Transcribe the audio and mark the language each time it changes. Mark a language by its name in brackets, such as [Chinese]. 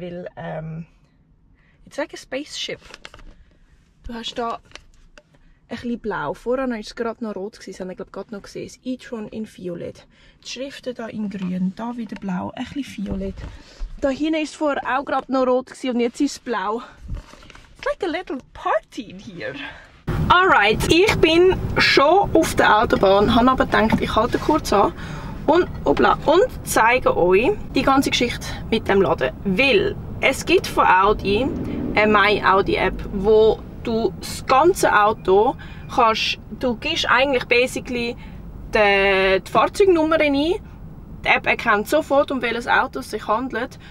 [German] Weil, ich sage ein Spaceship. Du hast hier etwas blau. Vorher war es gerade noch rot. Das habe ich gerade noch gesehen. E-tron in Violett. Die Schriften hier in grün. Hier wieder blau. Etwas Violett. Da hinten war es vorher auch gerade noch rot. Und jetzt ist es blau. [English] It's like a little party in here. [German] Alright, ich bin schon auf der Autobahn. Habe aber gedacht, ich halte kurz an. Und zeige euch die ganze Geschichte mit dem Laden. Weil es gibt von Audi eine My Audi App, wo du das ganze Auto kannst, du gibst eigentlich basically die Fahrzeugnummer ein, die App erkennt sofort, um welches Auto es sich handelt.